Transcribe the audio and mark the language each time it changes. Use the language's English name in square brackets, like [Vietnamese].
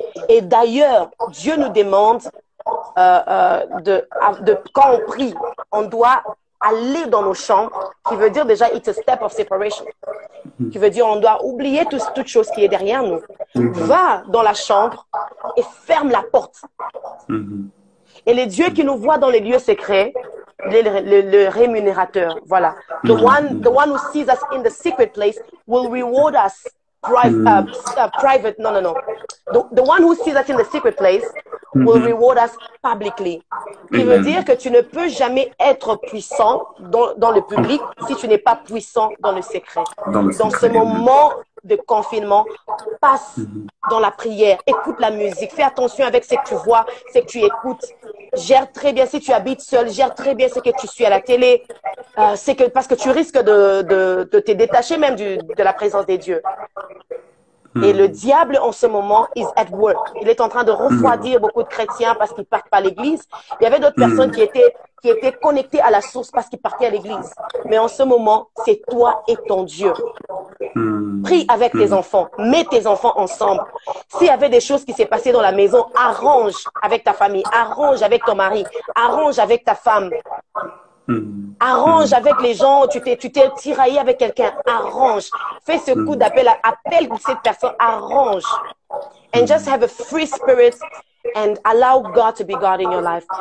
[French] Et d'ailleurs, Dieu nous demande, quand on prie, on doit aller dans nos chambres, qui veut dire déjà, [English] it's a step of separation. [French] Qui veut dire, on doit oublier toute chose qui est derrière nous. Va dans la chambre et ferme la porte. Et les dieux qui nous voient dans les lieux secrets, le rémunérateur, voilà. [English] The one who sees us in the secret place will reward us private. No. The one who sees us in the secret place will reward us publicly. [French] Qui veut dire que tu ne peux jamais être puissant dans le public si tu n'es pas puissant dans le secret. Dans ce moment de confinement, passe dans la prière, écoute la musique, fais attention avec ce que tu vois, ce que tu écoutes. Gère très bien si tu habites seul, gère très bien ce que tu suis à la télé, parce que tu risques de te détacher même de la présence des dieux. Et le diable en ce moment [English] is at work. [French] Il est en train de refroidir beaucoup de chrétiens parce qu'ils partent pas à l'église. Il y avait d'autres personnes qui étaient connectées à la source parce qu'ils partaient à l'église. Mais en ce moment, c'est toi et ton Dieu. Prie avec tes enfants. Mets tes enfants ensemble. S'il y avait des choses qui s'est passées dans la maison, arrange avec ta famille. Arrange avec ton mari. Arrange avec ta femme. Arrange avec les gens, tu t'es tiraillé avec quelqu'un, arrange, fais ce coup d'appel, appelle cette personne, arrange. [English] And just have a free spirit and allow God to be God in your life.